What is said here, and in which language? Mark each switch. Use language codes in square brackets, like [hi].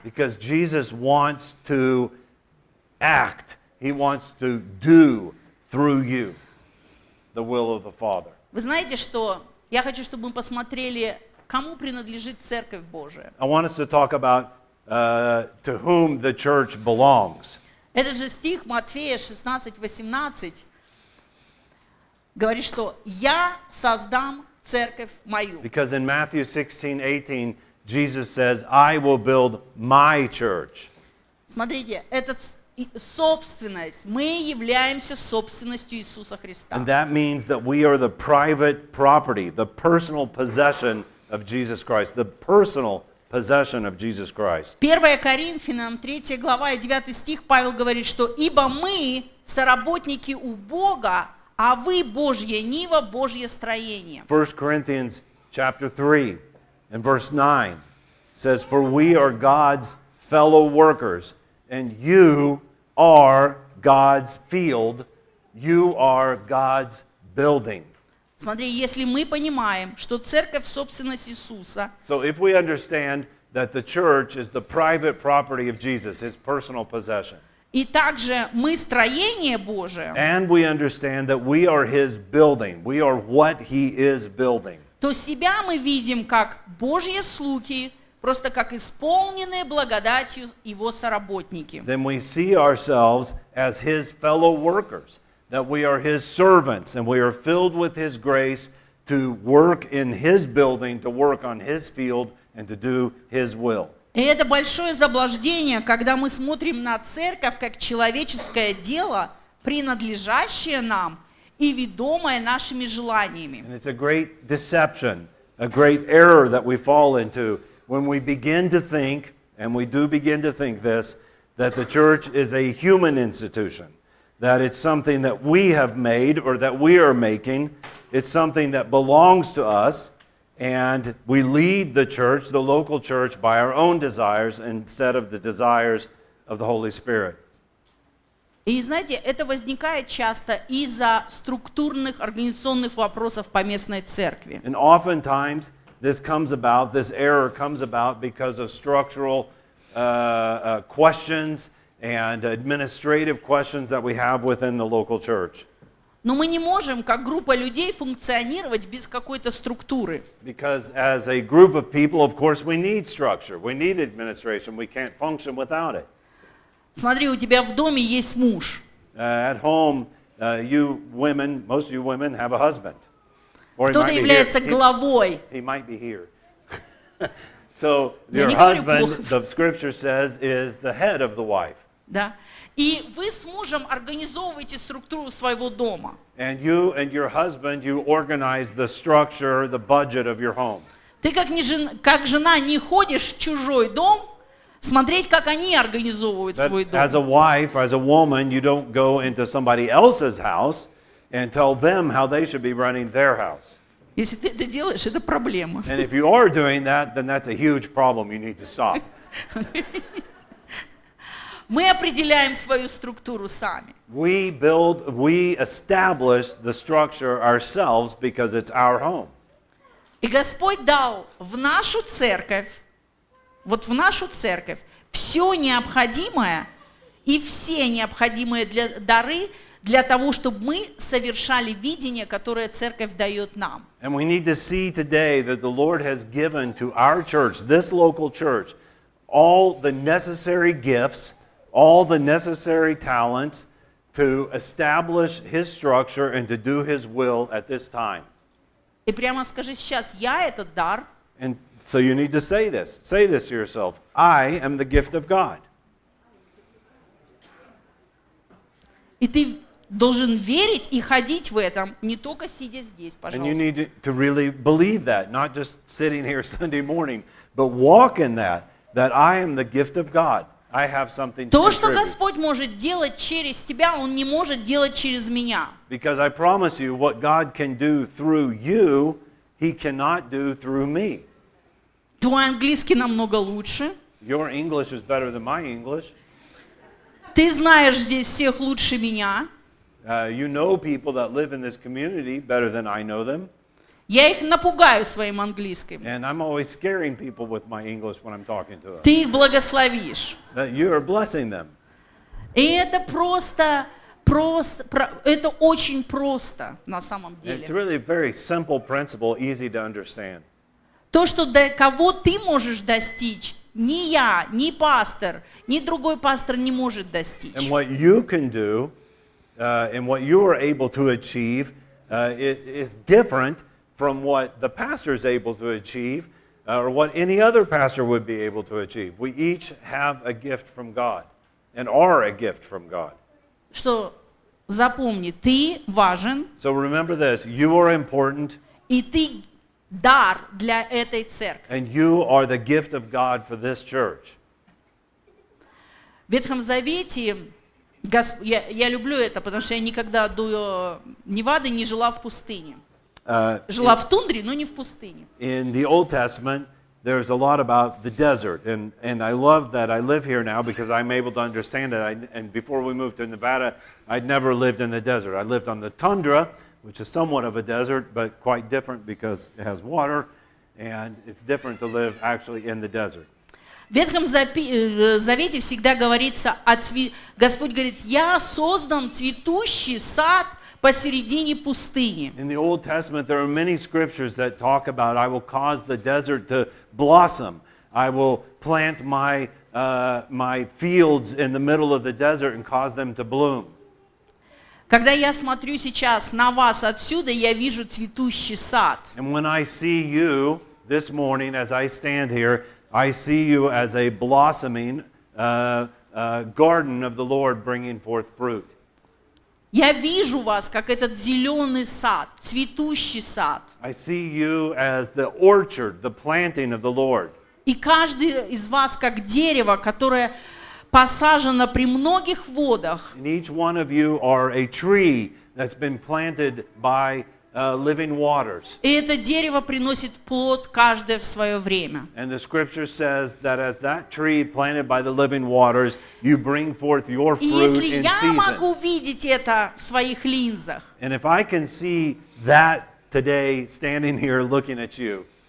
[en] Because Jesus wants to act. He wants to do through you the will of the Father. [ru] Вы знаете, что я хочу, чтобы мы посмотрели... кому принадлежит Церковь Божия? [en] I want us to talk about to whom the church belongs. [ru] Этот же стих Матфея 16:18 говорит, что я создам церковь мою. [en] Because in Matthew 16:18 Jesus says, I will build my church. [ru] Смотрите, это собственность. Мы являемся собственностью Иисуса Христа. [en] And that means that we are the private property, the personal possession of Jesus Christ, the personal possession of Jesus Christ. [ru] 1 Коринфянам 3 глава и 9 стих Павел говорит, что ибо мы соработники у Бога, а вы Божье ниво, Божье строение. [en] 1 Corinthians chapter 3 and verse 9 says, for we are God's fellow workers and you are God's field, you are God's building. [ru] Смотри, если мы понимаем, что церковь собственность Иисуса. [en] So if we understand that the church is the private property of Jesus, his personal possession. [ru] И также мы строение Божие. [en] And we understand that we are his building. We are what he is building. [ru] То себя мы видим как Божьи слуги, просто как исполненные благодатью его соработники. [en] Then we see ourselves as his fellow workers. That we are his servants and we are filled with his grace to work in his building, to work on his field and to do his will. [ru] И это большое заблуждение, когда мы смотрим на церковь как человеческое дело, принадлежащее нам и ведомое нашими желаниями. [en] And it's a great deception, a great error that we fall into when we begin to think, and we do begin to think this, that the church is a human institution. That it's something that we have made or that we are making. It's something that belongs to us. And we lead the church, the local church, by our own desires instead of the desires of the Holy Spirit. [ru] И знаете, это возникает часто из-за структурных, организационных вопросов по местной церкви. [en] And oftentimes this comes about, this error comes about because of structural questions and administrative questions that we have within the local church. [ru] Но мы не можем как группа людей функционировать без какой-то структуры. [en] Because as a group of people, of course, we need structure. We need administration. We can't function without it. [ru] Смотри, у тебя в доме есть муж. [en] At home, you women, most of you women have a husband. Or [ru] кто-то является главой. [en] He might be here. So your husband, the scripture says, is the head of the wife. [ru] Да. И вы с мужем организовываете структуру своего дома. [en] And you and your husband, you organize the structure, the budget of your home. [ru] Ты как жена не ходишь в чужой дом смотреть, как они организовывают свой дом. [en] As a wife, as a woman, you don't go into somebody else's house and tell them how they should be running their house. [ru] Если ты это делаешь, это проблема. [en] And if you are doing that, then that's a huge problem. You need to stop. [ru] Мы определяем свою структуру сами. [en] We build, we establish the structure ourselves because it's our home. [ru] И Господь дал в нашу церковь, вот в нашу церковь, все необходимое и все необходимые для дары для того, чтобы мы совершали видение, которое церковь дает нам. [en] And we need to see today that the Lord has given to our church, this local church, all the necessary gifts, all the necessary talents to establish his structure and to do his will at this time. [ru] И прямо скажи сейчас, я этот дар. [en] And so you need to say this. Say this to yourself. I am the gift of God. [ru] И ты должен верить и ходить в этом, не только сидя здесь, пожалуйста. [en] And you need to really believe that, not just sitting here Sunday morning, but walk in that, that I am the gift of God. I have something to [ru] То, что Господь может делать через тебя, Он не может делать через меня. [en] Because I promise you, what God can do through you, He cannot do through me. [ru] Твой английский намного лучше. [en] Your English is better than my English. [ru] Ты знаешь здесь всех лучше меня. [en] You know people that live in this community better than I know them. [ru] Я их напугаю своим английским. [en] And I'm always scaring people with my English when I'm talking to them. [ru] Ты их благословишь. [en] You are blessing them. [ru] И это просто, это очень просто на самом деле. [en] It's really a very simple principle, easy to understand. [ru] То, что до кого ты можешь достичь, ни я, ни пастор, ни другой пастор не может достичь. [en] And what you can do, and what you are able to achieve, it is different from what the pastor is able to achieve or what any other pastor would be able to achieve. We each have a gift from God and are a gift from God. [ru] Что, запомни, ты важен. [en] So remember this, you are important. [ru] И ты дар для этой церкви. [en] And you are the gift of God for this church. [ru] В Ветхом Завете, я люблю это, потому что я никогда до Невады не жила в пустыне. Жила в тундре, но не в пустыне. [en] In the Old Testament, there's a lot about the desert. And I love that I live here now because I'm able to understand it. And before we moved to Nevada, I'd never lived in the desert. I lived on the tundra, which is somewhat of a desert, but quite different because it has water, and it's different to live actually in the desert. [ru] В Ветхом Завете всегда говорится, Господь говорит, я создам цветущий сад посередине пустыни. [en] In the Old Testament, there are many scriptures that talk about, I will cause the desert to blossom. I will plant my fields in the middle of the desert and cause them to bloom. [ru] Когда я смотрю сейчас на вас отсюда, я вижу цветущий сад. [en] And when I see you this morning as I stand here, I see you as a blossoming garden of the Lord bringing forth fruit. [ru] Я вижу вас как этот зелёный сад, цветущий сад. [en] I see you as the orchard, the planting of the Lord. [ru] И каждый из вас как дерево, которое посажено при многих водах. [en] And each one of you are a tree that's been planted by living waters. [ru] И это дерево приносит плод каждое в своё время. [en] And the scripture says that as that tree planted by the living waters, you bring forth your fruit in season. [ru] Если я могу видеть это в своих линзах. [en] And if I can see that today standing here looking at you.